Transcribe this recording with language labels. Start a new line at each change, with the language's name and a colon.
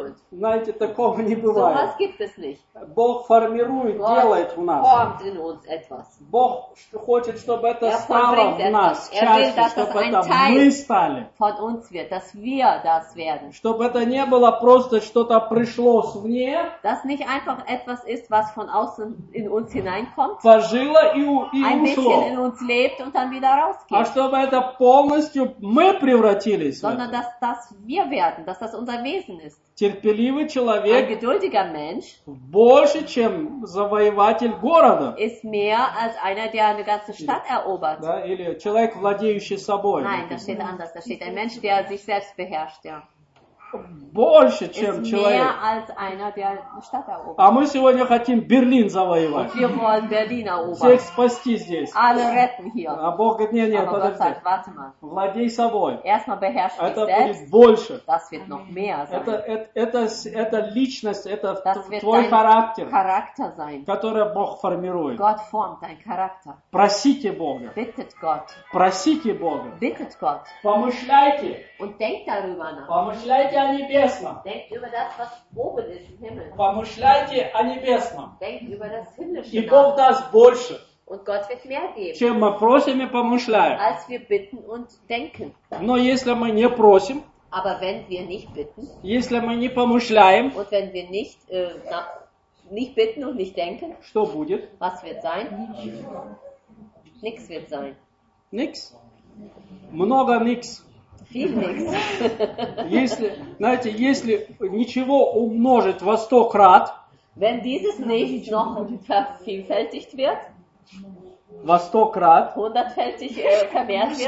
Russian: Знаете, такого не бывает. Бог формирует, делает в нас. Бог хочет, чтобы это стало в нас, чтобы это мы стали. Чтобы это не было просто что-то пришло свне.
German: Etwas ist, was von außen in uns hineinkommt,
Russian: пожило и
German: ein bisschen in uns lebt und dann wieder rausgeht.
Russian: А чтобы это полностью мы превратились.
German: Sondern dass das wir werden, dass das unser Wesen ist.
Russian: Терпеливый человек,
German: ein geduldiger Mensch,
Russian: больше, чем завоеватель города,
German: ist mehr als einer, der eine ganze Stadt erobert.
Russian: Да, или человек, владеющий собой.
German: Nein, das steht anders. Das steht ein Mensch, der sich selbst beherrscht, ja.
Russian: Больше, чем человек.
German: Mehr als einer, der eine Stadt erobert.
Russian: А мы сегодня хотим Берлин завоевать.
German: Wir wollen Berlin erobern.
Russian: Всех спасти здесь.
German: Alle retten hier.
Russian: А Бог говорит, нет,
German: aber
Russian: подожди.
German: Sagt, warte mal.
Russian: Владей собой.
German: Erstmal beherrsch
Russian: это
German: dich selbst.
Russian: Будет больше.
German: Das wird noch mehr sein.
Russian: Это личность, это
German: das
Russian: твой характер,
German: Charakter sein,
Russian: который Бог формирует.
German: Gott formt dein Charakter.
Russian: Просите Бога.
German: Bittet Gott.
Russian: Просите Бога.
German: Bittet Gott.
Russian: Помышляйте.
German: Und denkt darüber nach.
Russian: Помышляйте о небесном.
German: Denkt über das, was oben ist, im Himmel.
Russian: Помышляйте о небесном.
German: Denkt über das himmlische.
Russian: И Бог даст больше.
German: Und Gott wird mehr geben.
Russian: Чем мы просим и помышляем.
German: Als wir bitten und denken.
Russian: Но если мы не просим.
German: Aber wenn wir nicht bitten.
Russian: Если мы не помышляем.
German: Und wenn wir nicht, nicht bitten und nicht denken.
Russian: Что будет?
German: Was wird sein? Nix wird sein. Nix?
Russian: Много
German: nix.
Russian: Если, знаете, если ничего умножить во сто крат,
German: wenn dieses nicht noch vervielfältigt wird,
Russian: во сто крат,
German: hundertfältig vermehrt wird,